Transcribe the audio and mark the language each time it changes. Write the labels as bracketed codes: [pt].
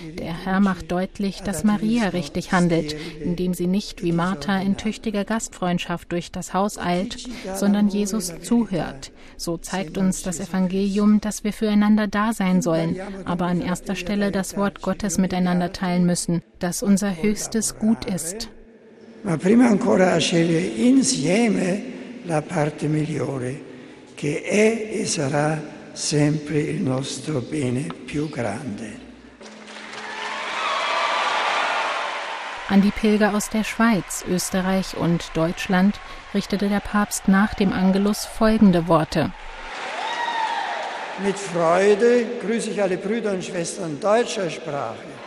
[de] Der Herr macht deutlich, dass Maria richtig handelt, indem sie nicht wie Martha in tüchtiger Gastfreundschaft durch das Haus eilt, sondern Jesus zuhört. So zeigt uns das Evangelium, dass wir füreinander da sein sollen, aber an erster Stelle das Wort Gottes miteinander teilen müssen, das unser höchstes Gut ist. [it] Ma prima ancora a scegliere insieme la parte migliore, che è e sarà sempre il nostro bene più grande. [de] An die Pilger aus der Schweiz, Österreich und Deutschland richtete der Papst nach dem Angelus folgende Worte. Mit Freude grüße ich alle Brüder und Schwestern deutscher Sprache.